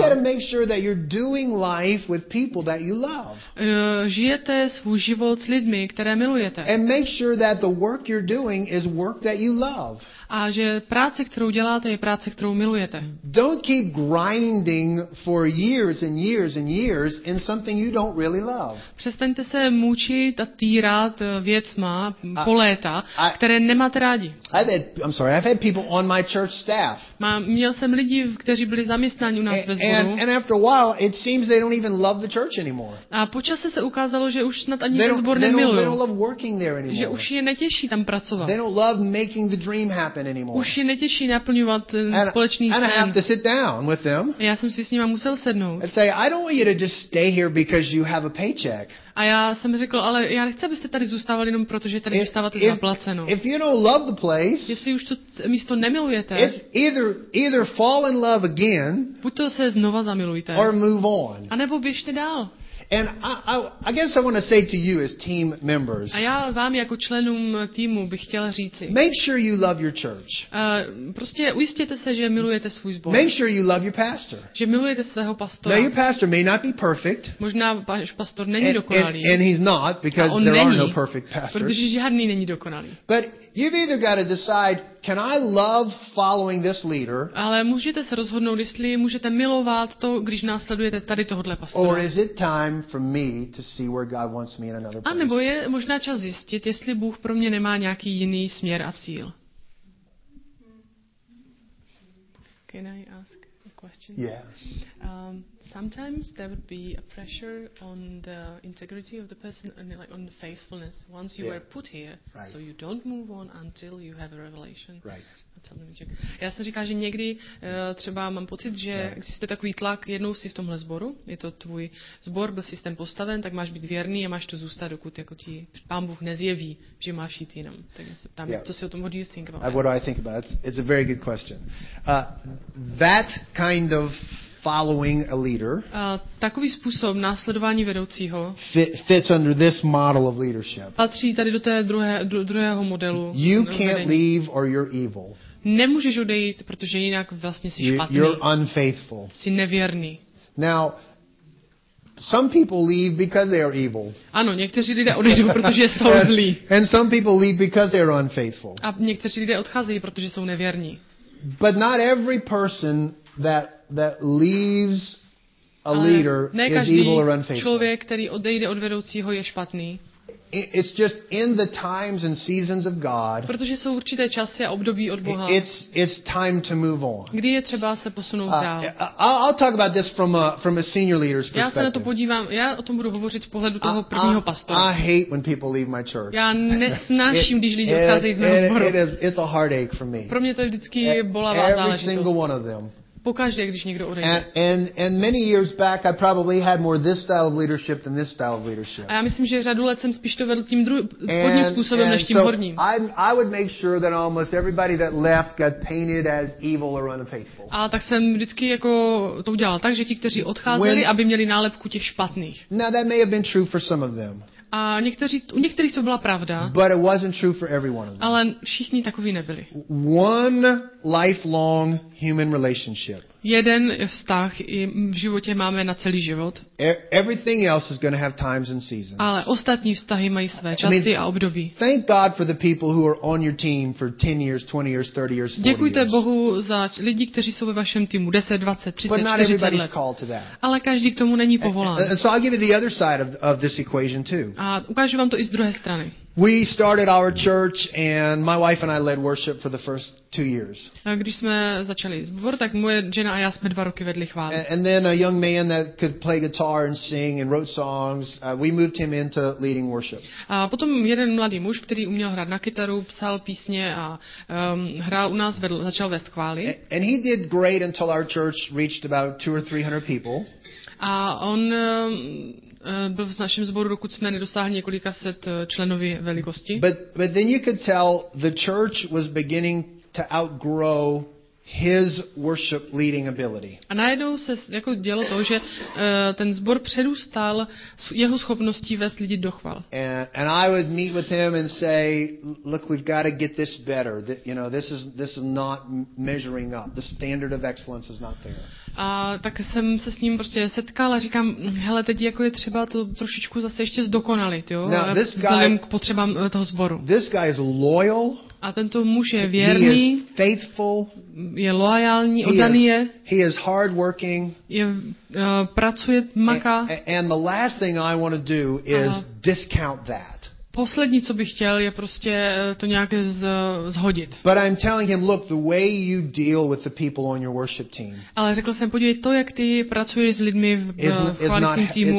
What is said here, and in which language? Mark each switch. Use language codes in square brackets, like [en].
[en] You got to make sure that you're doing life with people that you love. [cs] Žijete svůj život s lidmi, které milujete. [en] And make sure that the work you're doing is work that you love. [cs] A že práce, kterou děláte, je práce, kterou milujete. [en] Don't keep grinding for years and years and years in something you don't really love. [cs] Přestaňte se mučit a týrat věcma po léta, které nemáte rádi. [en] I've had people on my church staff. [cs] Měl jsem lidi, kteří byli zaměstnáni u nás ve sboru. [en] And after a while, it seems they don't even love the church anymore. [cs] A po čase se ukázalo, že už snad ani ten sbor nemilují. [en] They don't love working there anymore. [cs] Že už je netěší tam pracovat. [en] They don't love making the dream happen. Anymore. [cs] Už je netěší naplňovat společný sen. [en] I have to sit down with them. [cs] Já jsem si s nima musel sednout. [en] And say, I don't want you to just stay here because you have a paycheck. [cs] A já jsem řekl, ale já nechci, abyste tady zůstávali jenom proto, že tady zůstáváte zaplaceno. [en] If you don't love the place, [cs] jestli už to místo nemilujete, [en] it's either fall in love again, [cs] buď to se znova zamilujte, [en] or move on. [cs] A nebo běžte dál. [en] And I guess I want to say to you as team members. [cs] A já vám jako členům týmu bych chtěla říci. [en] Make sure you love your church. [cs] Prostě ujistěte se, že milujete svůj sbor. [en] Make sure you love your pastor. [cs] Že milujete svého pastora. [en] Now your pastor may not be perfect. [cs] Možná váš pastor není dokonalý. [en] And he's not because there are no perfect pastors. [cs] Protože žádný není dokonalý. [en] But you've either got to decide, can I love following this leader? [cs] Ale můžete se rozhodnout, jestli můžete milovat to, když následujete tady tohohle pastora. [en] Or is it time for me to see where God wants me in another place? [cs] A nebo je možná čas zjistit, jestli Bůh pro mě nemá nějaký jiný směr a cíl. [en] Can I ask a question? Yeah. Sometimes there would be a pressure on the integrity of the person and like on the faithfulness once you were put here, right. So you don't move on until you have a revelation. Right. [cs] Já jsem říkala, že někdy třeba mám pocit, že existuje takový tlak, jednou jsi v tomhle sboru, je to tvůj sbor, byl systém postaven, tak máš být věrný a máš to zůstat, dokud jako ti Pán Bůh nezjeví, že máš jít jinam. Tak se tam, co si o tom, [en] what do you think about? What do I think about? It's a very good question. That kind of following a leader. [cs] Takový způsob následování vedoucího [en] fits under this model of leadership. [cs] Patří tady do té druhého modelu. [en] You can't leave or you're evil. [cs] Nemůžeš odejít, protože jinak vlastně jsi špatný. [en] You're unfaithful. [cs] Jsi nevěrný. [en] Now, some people leave because they are evil. [cs] Ano, někteří lidé odejdou, protože jsou zlí. [en] And some people leave because they are unfaithful. [cs] A někteří lidé odcházejí, protože jsou nevěrní. [en] But not every person that leaves a leader is evil or unfaithful. [cs] Člověk, který odejde od vedoucího, je špatný. [en] It's just in the times and seasons of God. [cs] Protože jsou určité časy a období od Boha. [en] It's time to move on. [cs] Kdy je třeba se posunout dál. [en] I'll talk about this from a senior leader's perspective. [cs] Já se na to podívám. Já o tom budu hovořit z pohledu toho prvního pastora. [en] I hate when people leave my church. [cs] Já nesnáším, když lidi odcházejí z mého sboru. [en] It's a heartache for me. [cs] Pro mě to je vždycky bolavá záležitost. [en] Every single one of them. [cs] Pokaždé, když někdo odejde. [en] And many years back I probably had more this style of leadership than this style of leadership. [cs] A já myslím, že řadu let jsem spíš to vedl tím spodním způsobem než tím horním. [en] I would make sure that almost everybody that left got painted as evil or unfaithful. [cs] A tak jsem vždycky jako to udělal tak, že ti, kteří odcházeli, aby měli nálepku těch špatných. [en] Now that may have been true for some of them. [cs] A u některých to byla pravda. [en] But it wasn't true for every one of them. [cs] Ale všichni takoví nebyli. [en] One lifelong human relationship. [cs] Jeden vztah v životě máme na celý život. [en] Everything else is going to have times and seasons. [cs] Ale ostatní vztahy mají své časy a období. [en] Thank God for the people who are on your team for 10 years, 20 years, 30 years, 40 [cs] Děkujte [en] years. [cs] Bohu za lidi, kteří jsou ve vašem týmu 10, 20, 30, 40 let. [en] Called to that. [cs] Ale každý k tomu není povolán. [en] And so I'll give you the other side of this equation too. [cs] A ukážu vám to i z druhé strany. [en] We started our church and my wife and I led worship for the first 2 years. [cs] A když jsme začali zbor, tak moje žena a já jsme 2 roky vedli chvály. [en] And then a young man that could play guitar and sing and wrote songs, we moved him into leading worship. [cs] A potom jeden mladý muž, který uměl hrát na kytaru, psal písně a hrál u nás, vedl, začal vést chvály. [en] And he did great until our church reached about 200 or 300 people. [cs] A on byl v našem sboru, dokud jsme nedosáhli několika set členovy velikosti. [en] But then you could tell the church was beginning to outgrow his worship leading ability. [cs] A najednou se jako dělo to, že ten sbor přerůstal jeho schopností vést lidi do chval. [en] And I would meet with him and say, look, we've got to get this better. You know, this is not measuring up. The standard of excellence is not there. [cs] A tak jsem se s ním prostě setkal a říkám, hele, teď jako je třeba to trošičku zase ještě zdokonalit, jo, vzhledem k potřebám toho sboru. [en] This guy is loyal. [cs] A tento muž je věrný, [en] he is faithful, [cs] je loajální, oddaný je. [en] He is hardworking. [cs] Je pracuje, maká. [en] And the last thing I want to do is discount that. [cs] Poslední, co bych chtěl, je prostě to nějak zhodit. [en] But I'm telling him, look, the way you deal with the people on your worship team. [cs] Ale řekl jsem, podívej, to, jak ty pracuješ s lidmi v chválícím týmu.